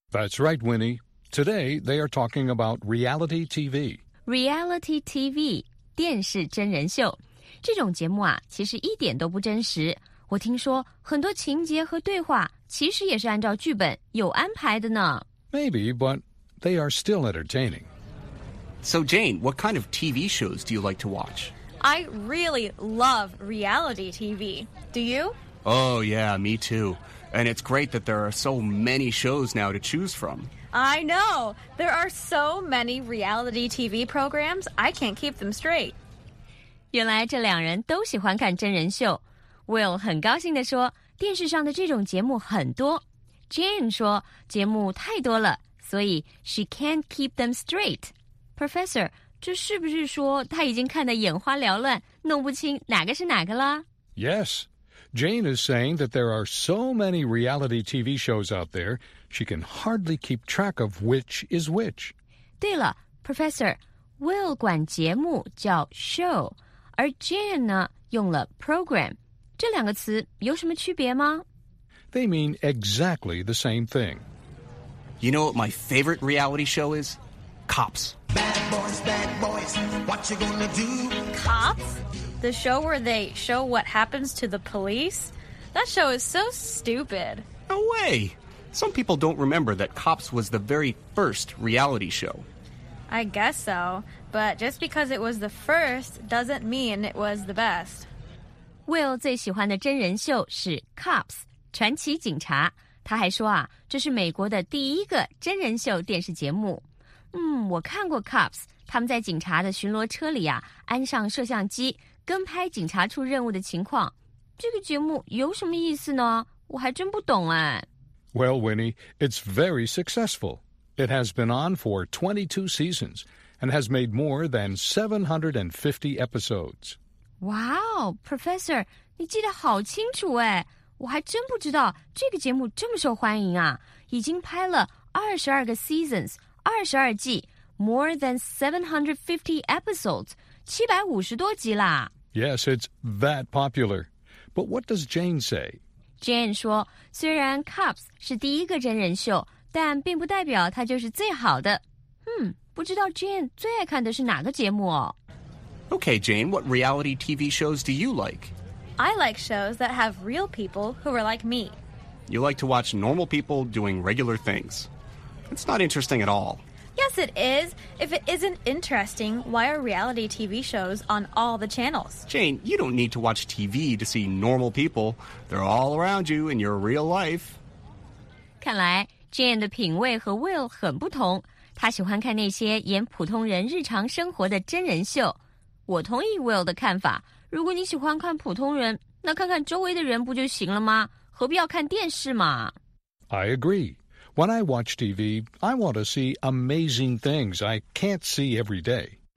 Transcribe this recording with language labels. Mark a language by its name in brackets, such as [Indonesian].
[English] That's right, Winnie. Today, they are talking about reality TV. [Chinese] Reality TV, 电视真人秀。这种节目啊，其实一点都不真实。我听说很多情节和对话其实也是按照剧本有安排的呢。 [English] Maybe, but they are still entertaining. So, Jane, what kind of TV shows do you like to watch? I really love reality TV. Do you? Oh, yeah, me too. And it's great that there are so many shows now to choose from. I know. There are so many reality TV programs, I can't keep them straight. [Chinese] 原来这两人都喜欢看真人秀。 Will 很高兴地说，电视上的这种节目很多。 Jane 说，节目太多了，所以 [English] she can't keep them straight. [Chinese] Professor, 这是不是说他已经看得眼花缭乱，弄不清哪个是哪个了？ [English] Yes. Jane is saying that there are so many reality TV shows out there, she can hardly keep track of which is which. [Chinese] 对了 ,Professor, Will 管节目叫 show, 而 Jane 呢用了 program. 这两个词有什么区别吗? [English] They mean exactly the same thing. You know what my favorite reality show is? Cops. Bad boys, what you gonna do? Cops? The show where they show what happens to the police? That show is so stupid. No way! Some people don't remember that Cops was the very first reality show. I guess so, but just because it was the first doesn't mean it was the best. [Chinese] Will 最喜欢的真人秀是 Cops, 传奇警察。他还说啊，这是美国的第一个真人秀电视节目。我看过 Cops, 他们在警察的巡逻车里啊，安上摄像机跟拍警察出任务的情况，这个节目有什么意思呢？我还真不懂啊。 [English] Well, Winnie, it's very successful. It has been on for 22 seasons and has made more than 750 episodes. [Chinese] Wow, Professor, 你记得好清楚哎！我还真不知道这个节目这么受欢迎啊！已经拍了22个 seasons, 22季 , [English] more than 750 episodes. [Chinese] 750多集啦。 [English] Yes, it's that popular. But what does Jane say? [Chinese] Jane 说，虽然 Cops 是第一个真人秀，但并不代表它就是最好的。不知道 Jane 最爱看的是哪个节目哦。 [English] Okay, Jane, what reality TV shows do you like? I like shows that have real people who are like me. You like to watch normal people doing regular things. It's not interesting at all. Yes, it is. If it isn't interesting, why are reality TV shows on all the channels? Jane, you don't need to watch TV to see normal people. They're all around you in your real life. [Chinese] 看来 Jane 的品味和 Will 很不同。她喜欢看那些演普通人日常生活的真人秀。我同意 Will 的看法。如果你喜欢看普通人，那看看周围的人不就行了吗？何必要看电视嘛？ [English] I agree. When I watch TV, I want to see amazing things I can't see every day.